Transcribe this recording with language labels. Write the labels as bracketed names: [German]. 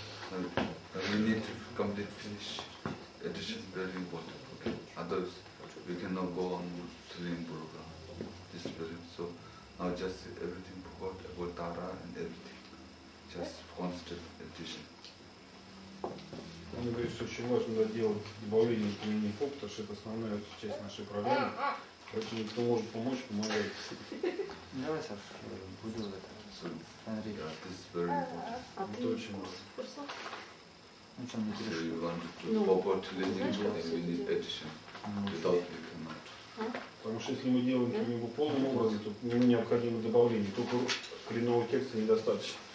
[English] We need to complete finish addition, very important, okay? Otherwise, we cannot go on telling Buruga this period. So now just everything forgot about Tara and everything. Just constant addition. [Russian] Он говорит, что очень важно делать добавление применений фоб, потому что это основная часть нашей программы. Поэтому кто может помочь, помогает. Давай, Саша, будем в этом. Смотри. [English] This is very important. [Russian] Это очень важно. Ну что, мне перешли? [English] So you want to pop out to learning and we need addition. Without we cannot. [Russian] Потому что если мы делаем его полным образом, то ему необходимо добавление. Только коренного текста недостаточно.